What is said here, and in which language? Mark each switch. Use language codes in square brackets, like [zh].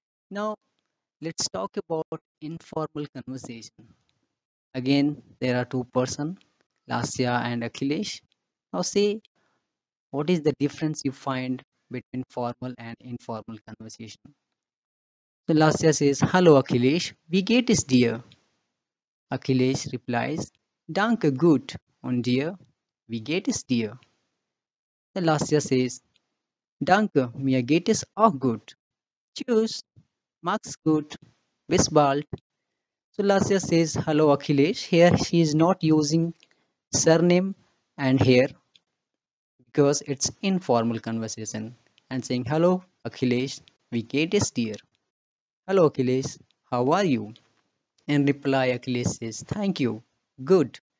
[en] Now, let's talk about informal conversation. Again, there are two persons, Lasia and Akhilesh. Now say, what is the difference you find between formal and informal conversation? So Lasia says, Hello Akhilesh, [de] wie geht es dir? [en] Akhilesh replies, [de] Danke gut und dir, wie geht es dir? [en] So Lasia says, [de] Danke, mir geht es auch gut. Tschüss, mach's gut, bis bald. [en] So Lasia says, Hello Akhilesh, here she is not using surname and here because it's informal conversation and saying, Hello Akhilesh, [de] wie geht es dir? [en] Hello Akhilesh, how are you? In reply, Akhilesh says, Thank you, good.